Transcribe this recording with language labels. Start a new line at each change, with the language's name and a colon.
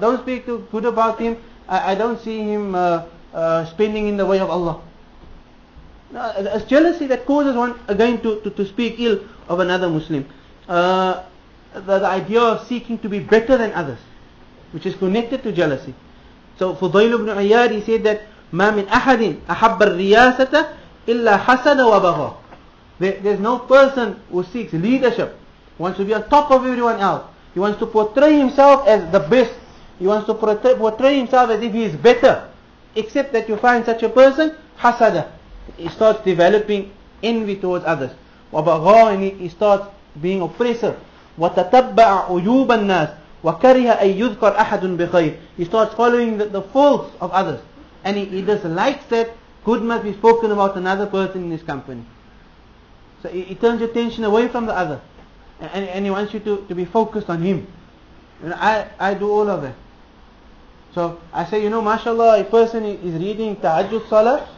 English: Don't speak too good about him. I don't see him spending in the way of Allah. No, it's jealousy that causes one again to speak ill of another Muslim. The idea of seeking to be better than others, which is connected to jealousy. So Fudayl ibn Iyad, he said that
Arabic: ما من أحد أحب الرياسة إلا حسد وبغى.
English: There's no person who seeks leadership, wants to be on top of everyone else. He wants to portray himself as the best. He wants to portray himself as if he is better. Except that you find such a person, حسد. He starts developing envy towards others. وبغى, he starts being oppressive.
Arabic: وتتبع عيوب الناس وكره أن يذكر أحد بخير.
English: He starts following the faults of others, and he dislikes that good must be spoken about another person in his company. So he turns your attention away from the other, and he wants you to be focused on him. And I do all of that. So I say, you know, mashallah, a person is reading tahajjud salah.